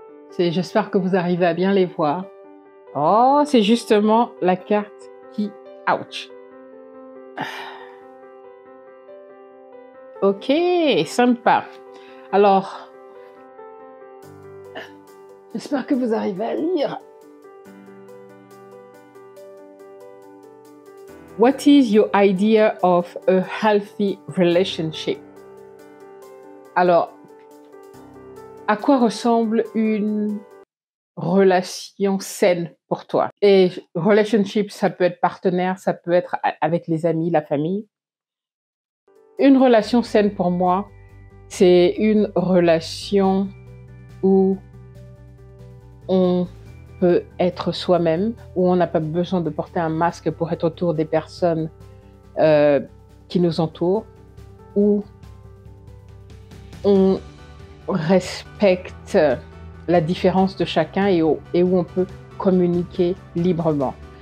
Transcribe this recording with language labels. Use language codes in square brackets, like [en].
[fr] C'est j'espère que vous arrivez à bien les voir. Oh, c'est justement la carte qui... Ouch. Ok, sympa. Alors, j'espère que vous arrivez à lire. [en] What is your idea of a healthy relationship? [fr] Alors, à quoi ressemble une relation saine pour toi? Et relationship, ça peut être partenaire, ça peut être avec les amis, la famille. Une relation saine pour moi, c'est une relation où on peut être soi-même, où on n'a pas besoin de porter un masque pour être autour des personnes qui nous entourent, où on respecte la différence de chacun et où on peut communiquer librement.